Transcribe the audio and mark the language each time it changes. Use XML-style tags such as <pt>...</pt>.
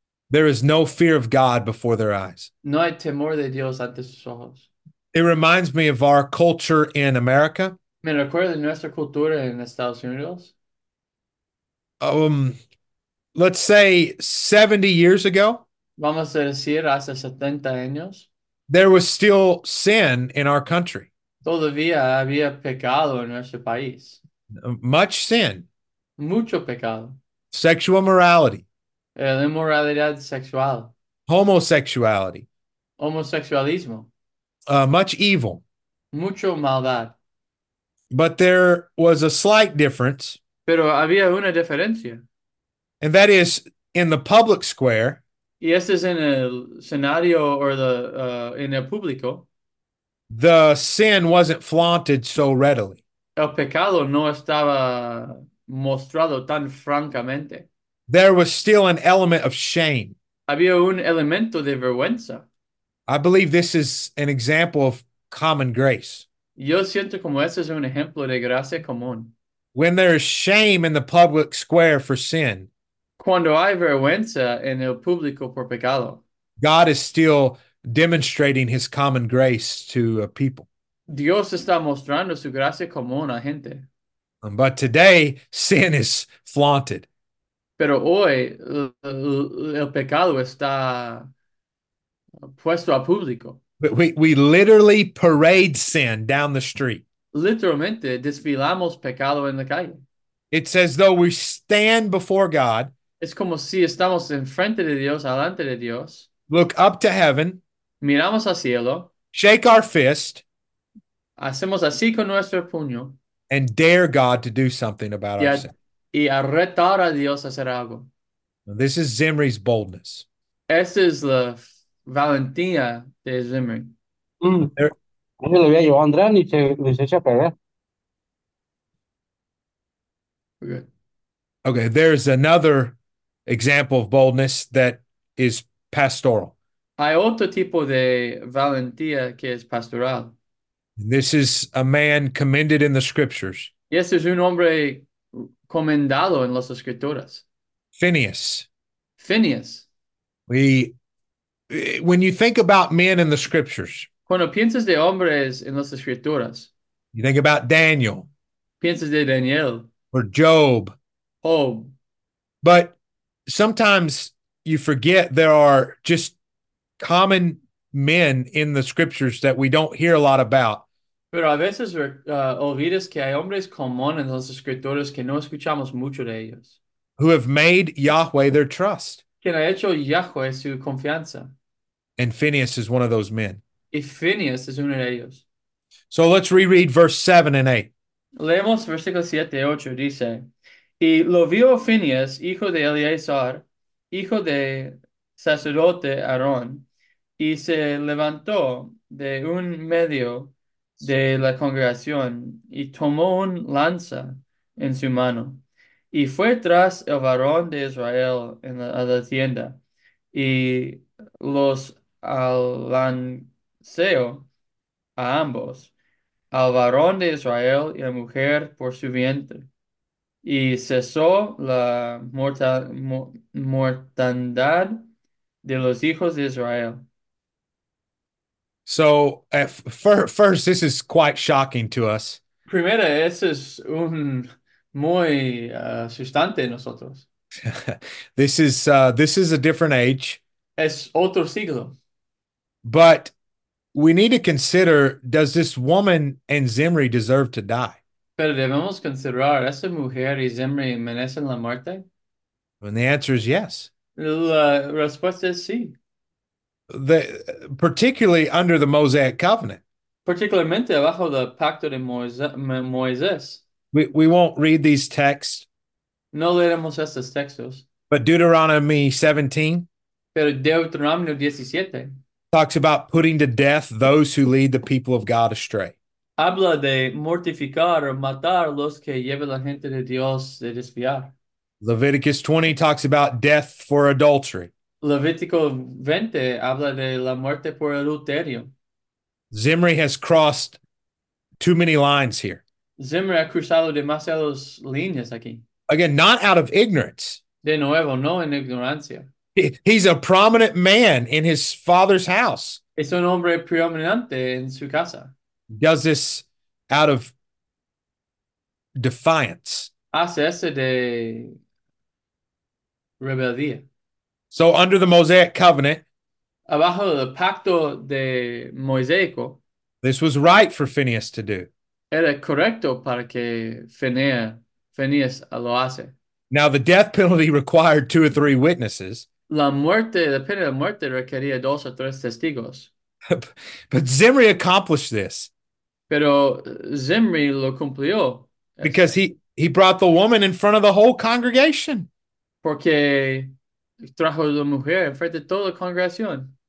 <en>There is no fear of God before their eyes.</en> <es>No hay temor de Dios ante sus ojos.</es> <en>It reminds me of our culture in America.</en> <es>Me recuerda de nuestra cultura en Estados Unidos.</es> <en>Let's say 70 years ago.</en> <es>Vamos a decir hace 70 años.</es> <en>There was still sin in our country.</en> <es>Todavía había pecado en nuestro país.</es> <en>Much sin.</en> <es>Mucho pecado.</es> <en>Sexual morality.</en> <es>La inmoralidad sexual.</es> <en>Homosexuality.</en> <es>Homosexualismo.</es> <en>Much evil.</en> <es>Mucho maldad.</es> <en>But there was a slight difference.</en> <es>Pero había una diferencia.</es> <en>And that is in the public square.</en> <es>Y este es en el escenario o en el público.</es> <en>The sin wasn't flaunted so readily.</en> <es>El pecado no estaba mostrado tan francamente.</es> <en>There was still an element of shame.</en> <es>Había un elemento de vergüenza.</es> <en>I believe this is an example of common grace.</en> <es>Yo siento como este es un ejemplo de gracia común.</es> <en>When there is shame in the public square for sin,</en> <es>cuando hay vergüenza en el público por pecado,</es> <en>God is still demonstrating his common grace to a people.</en> <es>Dios está mostrando su gracia común a gente.</es> <en>But today, sin is flaunted.</en> <es>Pero hoy, el pecado está puesto a público.</es> <en>We literally parade sin down the street.</en> <es>Literalmente, desfilamos pecado en la calle.</es> <en>It's as though we stand before God.</en> <es>Es como si estamos enfrente de Dios, alante de Dios.</es> <en>Look up to heaven.</en> <es>Miramos al cielo.</es> <en>Shake our fist.</en> <es>Hacemos así con nuestro puño.</es> <en>And dare God to do something about our sin.</en> <es>Y a retar a Dios a hacer algo.</es> <en>This is Zimri's boldness.</en> <es>Esa es la valentía de Zimri. Se lo había llevado Andrés y se lo echa a perder.</es> <en>Okay, there's another example of boldness that is pastoral.</en> <es>Hay otro tipo de valentía que es pastoral.</es> <en>And this is a man commended in the scriptures.</en> <es>Y este es un hombre comendado en las escrituras.</es> <en>Phineas.</en> <es>Phineas.</es> <en>When you think about men in the scriptures,</en> <es>cuando piensas de hombres en las escrituras,</es> <en>you think about Daniel.</en> <es>Piensas de Daniel.</es> <en>Or Job. Oh. But sometimes you forget there are just common men in the scriptures that we don't hear a lot about.</en> <es>Pero a veces olvidas que hay hombres comunes en las escrituras que no escuchamos mucho de ellos.</es> <en>Who have made Yahweh their trust.</en> <es>Quien ha hecho Yahweh su confianza.</es> <en>And Phineas is one of those men.</en> <es>Y Phineas es uno de ellos.</es> <en>So let's reread verse 7 and 8.</en> <es>Leemos versículos 7 y 8. Dice, y lo vio Phineas, hijo de Eleazar, hijo de sacerdote Aarón, y se levantó de un medio de la congregación y tomó un lanza en su mano y fue tras el varón de Israel en la tienda y los alanceó a ambos, al varón de Israel y a la mujer por su vientre, y cesó la mortandad de los hijos de Israel.</es> <en>So, at first, this is quite shocking to us.</en> <es>Primera, eso es un muy asustante nosotros.</es> <en>This is a different age.</en> <es>Es otro siglo.</es> <en>But we need to consider, does this woman and Zimri deserve to die?</en> <es>Pero debemos considerar, ¿esa mujer y Zimri merecen la muerte?</es> <en>And the answer is yes.</en> <es>La respuesta es sí.</es> <en>Particularly under the Mosaic Covenant.</en> <es>Particularmente bajo el pacto de Moisés.</es> <en>We won't read these texts.</en> <es>No leeremos estos textos.</es> <en>But Deuteronomy 17.</en> <es>Pero Deuteronomio 17.</es> <en>talks about putting to death those who lead the people of God astray.</en> <es>Habla de mortificar o matar los que llevan la gente de Dios de desviar.</es> <en>Leviticus 20 talks about death for adultery.</en> <es>Levítico 20 habla de la muerte por adulterio.</es> <en>Zimri has crossed too many lines here.</en> <es>Zimri ha cruzado demasiadas líneas aquí.</es> <en>Again, not out of ignorance.</en> <es>De nuevo, no en ignorancia.</es> <en>He's a prominent man in his father's house.</en> <es>Es un hombre prominente en su casa.</es> <en>Does this out of defiance.</en> <es>Hace ese de rebeldía.</es> <en>So under the Mosaic covenant,</en> <es>abajo del pacto de Mosaico,</es> <en>this was right for Phineas to do.</en> <es>Era correcto para que Phineas lo hace.</es> <en>Now the death penalty required two or three witnesses.</en> <es>La pena de muerte requería dos o tres testigos.</es> <en>But Zimri accomplished this.</en> <es>Pero Zimri lo cumplió.</es> <en>Because he brought the woman in front of the whole congregation.</en> <es>Porque trajo la mujer en frente de toda la congregación.</es>